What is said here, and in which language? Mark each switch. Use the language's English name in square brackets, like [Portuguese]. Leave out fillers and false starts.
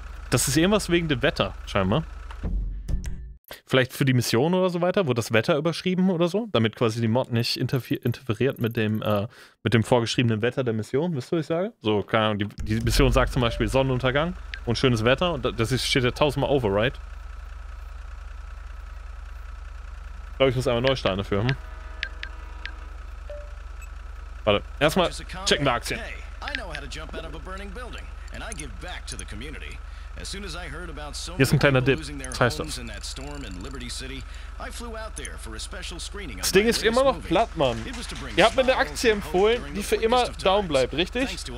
[German] Das ist irgendwas wegen dem Wetter, scheinbar. Vielleicht für die Mission oder so weiter, wurde das Wetter überschrieben oder so, damit quasi die Mod nicht interferiert mit dem vorgeschriebenen Wetter der Mission, wisst ihr, was ich sage? So, keine Ahnung, die Mission sagt zum Beispiel Sonnenuntergang und schönes Wetter und steht ja tausendmal Override. Ich glaube, ich muss einmal neu starten dafür. Hm? Warte, erstmal checken wir Aktien. [English] Hey, I know how to jump out of a burning building and I give back to the community. As soon as I heard about so many people losing their homes in that storm in Liberty City, I flew out there for a special screening. [German] Das Ding ist immer noch platt, Mann. Ihr habt mir eine Aktie empfohlen, die für immer down bleibt, richtig?